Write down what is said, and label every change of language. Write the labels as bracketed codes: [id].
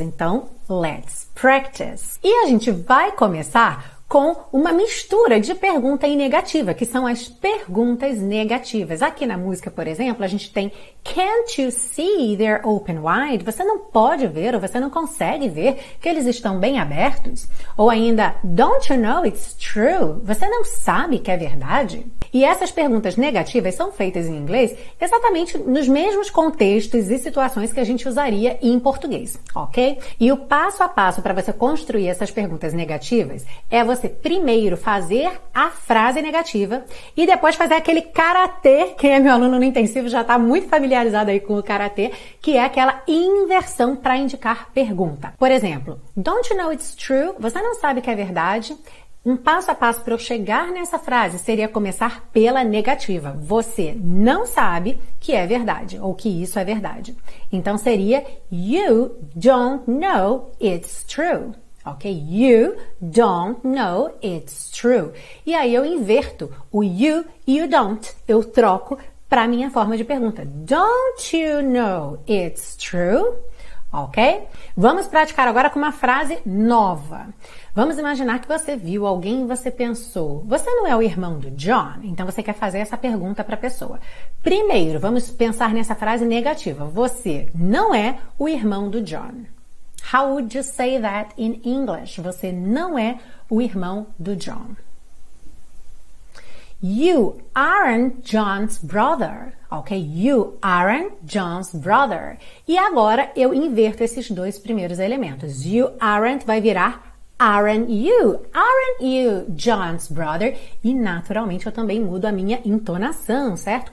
[pt] Então, [en] let's practice! [pt] E a gente vai começar com uma mistura de pergunta e negativa, que são as perguntas negativas. Aqui na música, por exemplo, a gente tem [en] Can't you see they're open wide? [pt] Você não pode ver ou você não consegue ver que eles estão bem abertos? Ou ainda [en] Don't you know it's true? [pt] Você não sabe que é verdade? E essas perguntas negativas são feitas em inglês exatamente nos mesmos contextos e situações que a gente usaria em português, ok? E o passo a passo para você construir essas perguntas negativas é você primeiro fazer a frase negativa e depois fazer aquele karatê. Quem é meu aluno no intensivo já está muito familiarizado aí com o karatê, que é aquela inversão para indicar pergunta. Por exemplo, [en] Don't you know it's true? [pt] Você não sabe que é verdade? Um passo a passo para eu chegar nessa frase seria começar pela negativa. Você não sabe que é verdade ou que isso é verdade. Então seria [en] You don't know it's true. Ok? You don't know it's true. [pt] E aí eu inverto o you e o don't. Eu troco para a minha forma de pergunta. [en] Don't you know it's true? Ok? [pt] Vamos praticar agora com uma frase nova. Vamos imaginar que você viu alguém e você pensou, você não é o irmão do John? Então você quer fazer essa pergunta para a pessoa. Primeiro, vamos pensar nessa frase negativa. Você não é o irmão do John. [en] How would you say that in English? [pt] Você não é o irmão do John. [en] You aren't John's brother. Ok? You aren't John's brother. [pt] E agora eu inverto esses dois primeiros elementos. [en] You aren't [pt] vai virar [en] aren't you. Aren't you John's brother? [pt] E naturalmente eu também mudo a minha entonação, certo?